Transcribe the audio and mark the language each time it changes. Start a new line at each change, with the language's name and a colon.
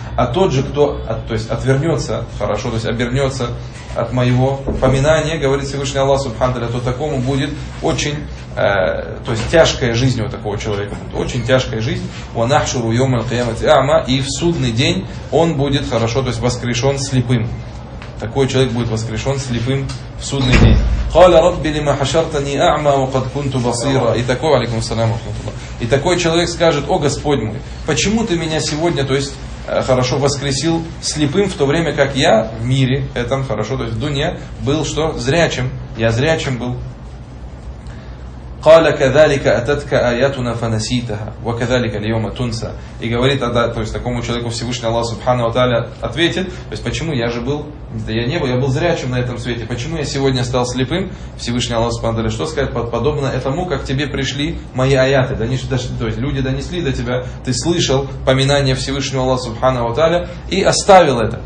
Russian: А тот же, кто от, то есть отвернется, хорошо, то есть обернется от моего поминания, говорит Всевышний Аллах субхана ва тааля, то такому будет очень, то есть тяжкая жизнь у такого человека, очень тяжкая жизнь.
Arabic: وَنَحْشُرُهُ يَوْمَ الْقِيَامَةِ أَعْمَى.
Russian: И в судный день он будет, хорошо, то есть воскрешен слепым. Такой человек будет воскрешен слепым в судный день.
Arabic: قال ربي لما حشرتني أعمى وقد كنت بصيرا.
Russian: И такой, алейкум ассалям, и такой человек скажет: о Господь мой, почему ты меня сегодня, то есть хорошо, воскресил слепым, в то время как я в мире этом, хорошо, то есть в дунья, был что? Зрячим. Я зрячим был.
Arabic: قال كذلك أتتك آياتنا فنسيتها وكذلك اليوم تنسى.
Russian: И говорит, то есть такому человеку Всевышний Аллах Субхана ва Тааля ответит, то есть почему я же был, да я не был, я был зрячим на этом свете, почему я сегодня стал слепым? Всевышний Аллах Субхана ва Тааля что сказать? Подобно этому, как тебе пришли мои аяты, то есть люди донесли до тебя, ты слышал поминание Всевышнего Аллаха Субхана ва Тааля и оставил это.